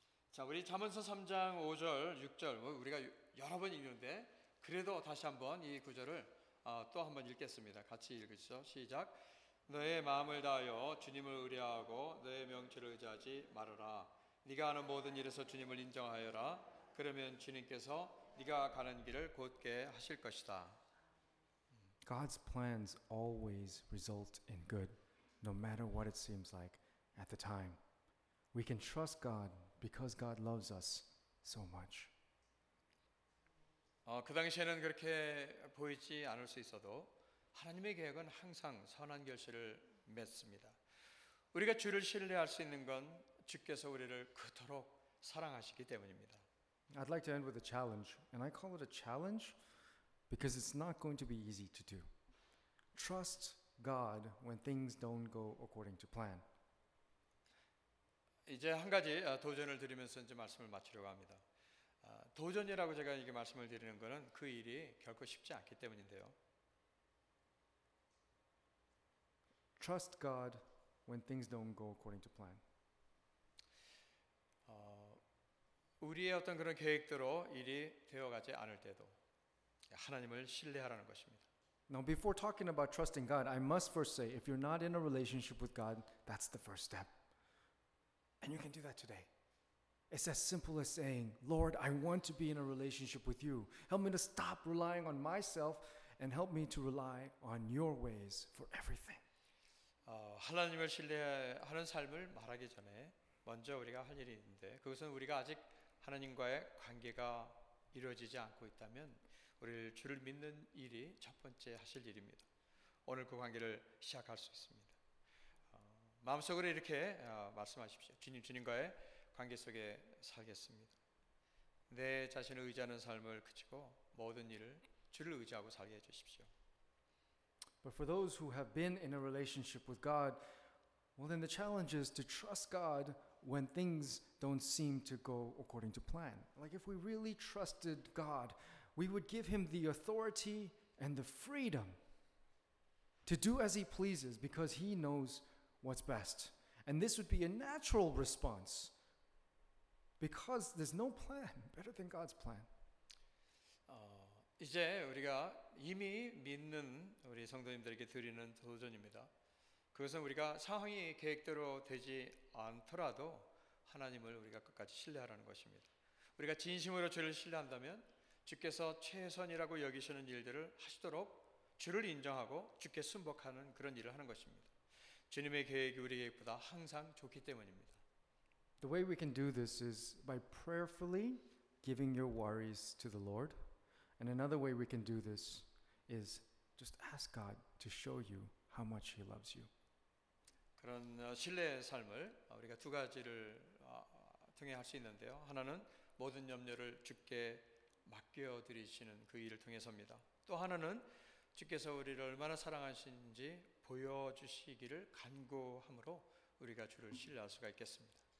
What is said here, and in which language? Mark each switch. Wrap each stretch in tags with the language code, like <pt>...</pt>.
<ko>자, 우리 잠언서 3장 5절, 6절 우리가 여러 번 읽는데 그래도 다시 한번 이 구절을 또 한번 읽겠습니다. 같이 읽으시죠. 시작. 너의 마음을 다하여 주님을 의뢰하고 너의 명철을 의지하지 말아라. 네가 하는 모든 일에서 주님을 인정하여라. 그러면 주님께서 네가 가는 길을 곧게 하실 것이다.</ko> <en>God's plans always result in good, no matter what it seems like at the time. We can trust God because God loves us so much.</en> <ko>그 당시에는 그렇게 보이지 않을 수 있어도 하나님의 계획은 항상 선한 결실을 맺습니다. 우리가 주를 신뢰할 수 있는 건 주께서 우리를 그토록 사랑하시기 때문입니다.</ko> <en>I'd like to end with a challenge, and I call it a challenge because it's not going to be easy to do. Trust God when things don't go according to plan.</en> <ko>이제 한 가지 도전을 드리면서 이제 말씀을 마치려고 합니다. 도전이라고 제가 이게 말씀을 드리는 것은 그 일이 결코 쉽지 않기 때문인데요.</ko> <en>Trust God when things don't go according to plan.</en> <ko>우리의 어떤 그런 계획대로 일이 되어가지 않을 때도 하나님을 신뢰하라는 것입니다.</ko> <en>Now before talking about trusting God, I must first say if you're not in a relationship with God, that's the first step. And you can do that today. It's as simple as saying, Lord, I want to be in a relationship with you. Help me to stop relying on myself and help me to rely on your ways for everything.</en> <ko>하나님을 신뢰하는 삶을 말하기 전에 먼저 우리가 할 일이 있는데 그것은 우리가 아직 하나님과의 관계가 이루어지지 않고 있다면 우리를 주를 믿는 일이 첫 번째 하실 일입니다. 오늘 그 관계를 시작할 수 있습니다. 마음속으로 이렇게 말씀하십시오. 주님, 주님과의 관계 속에 살겠습니다. 내 자신을 의지하는 삶을 그치고 모든 일을 주를 의지하고 살게 해주십시오.</ko> <en>But for those who have been in a relationship with God, well then the challenge is to trust God when things don't seem to go according to plan. Like if we really trusted God, we would give him the authority and the freedom to do as he pleases because he knows what's best. And this would be a natural response because there's no plan better than God's plan.</en> <ko>이제 우리가 이미 믿는 우리 성도님들에게 드리는 도전입니다. 그것은 우리가 상황이 계획대로 되지 않더라도 하나님을 우리가 끝까지 신뢰하라는 것입니다. 우리가 진심으로 주를 신뢰한다면 주께서 최선이라고 여기시는 일들을 하시도록 주를 인정하고 주께 순복하는 그런 일을 하는 것입니다. 주님의 계획이 우리 계획보다 항상 좋기 때문입니다.</ko> <en>The way we can do this is by prayerfully giving your worries to the Lord. And another way we can do this is just ask God to show you how much he loves you.</en> <ko>그런 신뢰의 삶을 우리가 두 가지를 통해 할 수 있는데요. 하나는 모든 염려를 주께 맡겨드리시는 그 일을 통해서입니다. 또 하나는 주께서 우리를 얼마나 사랑하시는지 보여주시기를 간구함으로 우리가 주를 신뢰할 수가 있겠습니다.</ko>